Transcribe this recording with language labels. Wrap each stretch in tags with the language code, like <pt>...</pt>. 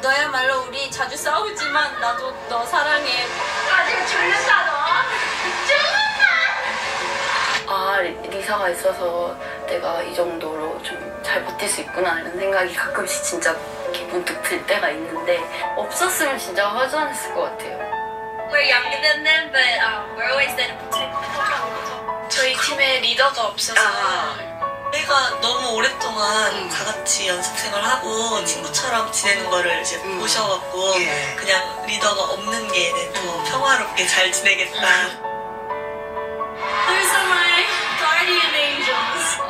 <ko>너야말로 우리 자주 싸우지만 나도 너 사랑해 아직 졸렸다 너 정아 아, 리사가 있어서 내가 이 정도로 좀 잘 버틸 수 있구나 이런 생각이 가끔씩 진짜 기분도 들 때가 있는데 없었으면 진짜 허전했을 것 같아요.</ko> <en>We're younger than them, but we're always there to protect them.</en> <ko>저희 팀에 리더가 없어서 내가 너무 오랫동안 다 같이 연습생을 하고 친구처럼 지내는 거를 이제 보셔갖고 그냥 리더가 없는 게 더 평화롭게 잘 지내겠다.</ko> <en>Those are my guardian angels.</en>